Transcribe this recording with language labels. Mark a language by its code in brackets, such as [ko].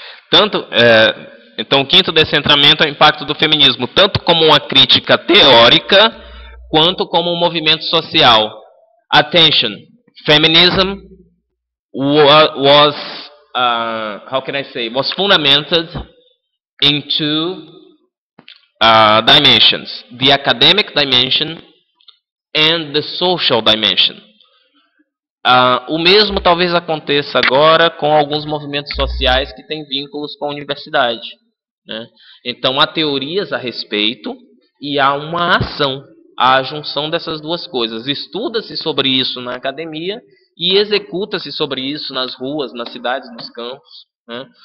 [pt] Tanto, então, o quinto descentramento é o impacto do feminismo, tanto como uma crítica teórica, quanto como um movimento social. [en] Attention, feminism was, how can I say, was fundamented in two dimensions, the academic dimension and the social dimension. [pt] O mesmo talvez aconteça agora com alguns movimentos sociais que têm vínculos com a universidade. Né? Então, há teorias a respeito e há uma ação, a junção dessas duas coisas. Estuda-se sobre isso na academia e executa-se sobre isso nas ruas, nas cidades, nos campos. Né?